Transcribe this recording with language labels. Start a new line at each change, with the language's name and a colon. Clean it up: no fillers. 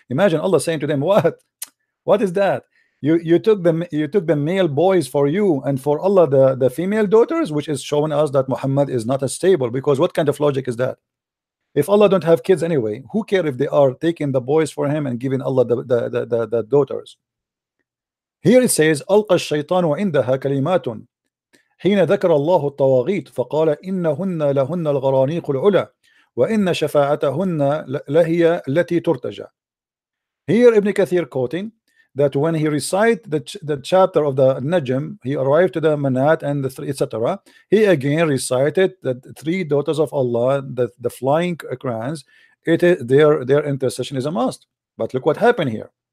English: Imagine Allah saying to them, "What? What is that? You took the male boys for you and for Allah the female daughters," which is showing us that Muhammad is not as stable. Because what kind of logic is that? If Allah don't have kids anyway, who care if they are taking the boys for him and giving Allah the daughters? Here it says,
Arabic: "Alqa ash-shaytanu 'indaha kalimatun." حين ذكر الله الطواغيت فقال إنهن لهن الغرانيق العلى وإن شفاعتهن لهي التي ترتجى.
English: Here Ibn Kathir quoting that when he recite the chapter of the Najm, he arrived to the Manat and the three, etc. He again recited that three daughters of Allah, the flying crowns, their intercession is a must. But look what happened here.